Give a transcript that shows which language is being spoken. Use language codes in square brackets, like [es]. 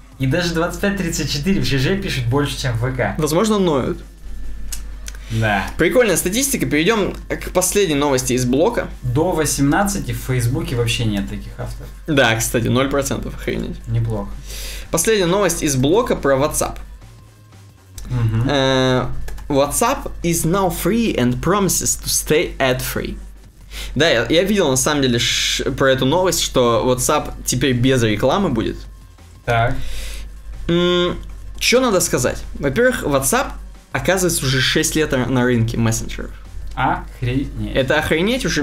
[ru] И даже 25-34 в ЖЖ пишут больше, чем в ВК. Возможно, ноют. Да. Прикольная статистика, перейдем к последней новости из блока. До 18 в Фейсбуке вообще нет таких авторов. Да, кстати, 0%, охренеть. Неплохо. Последняя новость из блока про WhatsApp. Угу. [en] WhatsApp is now free and promises to stay ad-free. [ru] Да, я видел на самом деле про эту новость, что WhatsApp теперь без рекламы будет. Так. Что надо сказать? Во-первых, WhatsApp... Оказывается, уже 6 лет на рынке мессенджеров. Охренеть. Это охренеть уже.